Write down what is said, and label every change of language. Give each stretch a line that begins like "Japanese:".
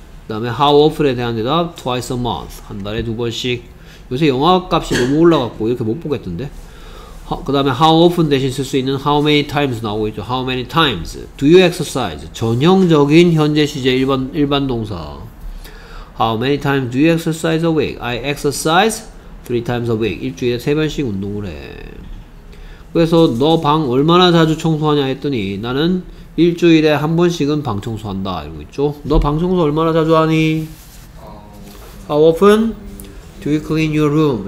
Korean: 그 다음에 how often에 대한 대답
English: twice a month,
Korean: 한 달에 두 번씩. 요새 영화값이 너무 올라갔고 이렇게 못 보겠던데. 그 다음에 how often 대신 쓸 수 있는 how many times 나오고 있죠.
English: How many times do you exercise?
Korean: 전형적인 현재 시제 일반 동사.
English: How many times do you exercise a week? I exercise 3 times a week.
Korean: 일주일에 세 번씩 운동을 해. 그래서 너 방 얼마나 자주 청소하냐 했더니 나는 일주일에 한 번씩은 방 청소한다 이러고 있죠. 너 방 청소 얼마나 자주 하니?
English: How often Do you clean your room?